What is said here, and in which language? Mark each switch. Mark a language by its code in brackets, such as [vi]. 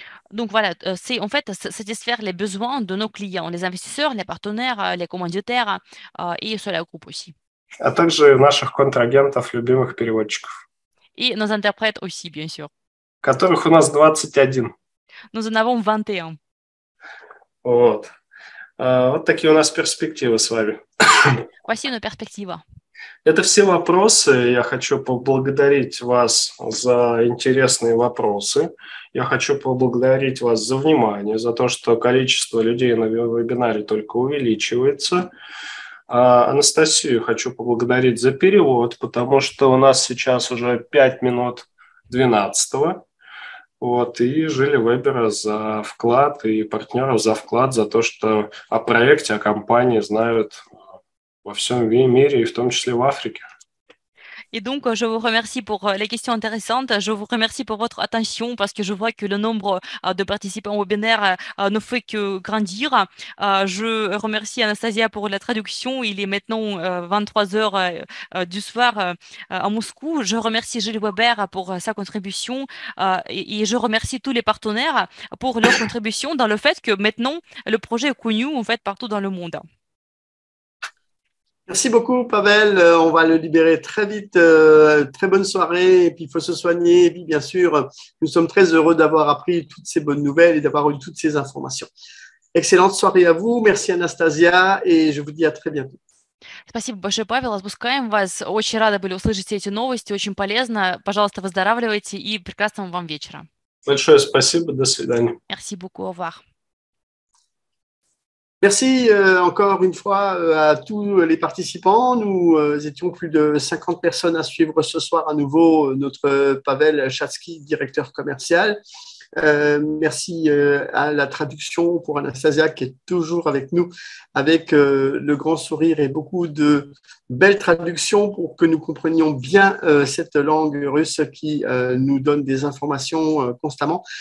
[fr] Donc voilà, c'est en fait satisfaire les besoins de nos clients, les investisseurs, les partenaires, les commanditaires et Solar Group aussi. [ru] А также наших контрагентов, любимых переводчиков, [fr] Et nos interprètes aussi, bien sûr. [ru] которых у нас 21. [fr] Nous en avons 21. [ru] Вот. Вот такие у нас перспективы с вами. [fr] Voici nos perspectives. [ru] Это все вопросы. Я хочу поблагодарить вас за интересные вопросы. Я хочу поблагодарить вас за внимание, за то, что количество людей на вебинаре только увеличивается. Анастасию хочу поблагодарить за перевод, потому что у нас сейчас уже 5 минут 12-го. Вот, и жили Вебера за вклад и партнеров за вклад, за то, что о проекте, о компании знают во всем мире, и в том числе в Африке. [fr] Et donc, je vous remercie pour les questions intéressantes. Je vous remercie pour votre attention parce que je vois que le nombre de participants au webinaire ne fait que grandir. Je remercie Anastasia pour la traduction. Il est maintenant 23 h du soir à Moscou. Je remercie Gilles Weber pour sa contribution et je remercie tous les partenaires pour leur contribution dans le fait que maintenant, le projet est connu en fait partout dans le monde. Merci beaucoup, Pavel. On va le libérer très vite. Très bonne soirée. Et puis, il faut se soigner. Et puis, bien sûr, nous sommes très heureux d'avoir appris toutes ces bonnes nouvelles et d'avoir eu toutes ces informations. Excellente soirée à vous. Merci, Anastasia. Et je vous dis à très bientôt. [ru] Спасибо большое, Павел. Отпускаем вас. Очень рады были услышать все эти новости. Очень полезно. Пожалуйста, выздоравливайте и прекрасного вам вечера. Большое спасибо. До свидания. [fr] Merci beaucoup. Au revoir. Merci encore une fois à tous les participants. Nous étions plus de 50 personnes à suivre ce soir à nouveau notre Pavel Chatzky, directeur commercial. Merci à la traduction pour Anastasia qui est toujours avec nous avec le grand sourire et beaucoup de belles traductions pour que nous comprenions bien cette langue russe qui nous donne des informations constamment.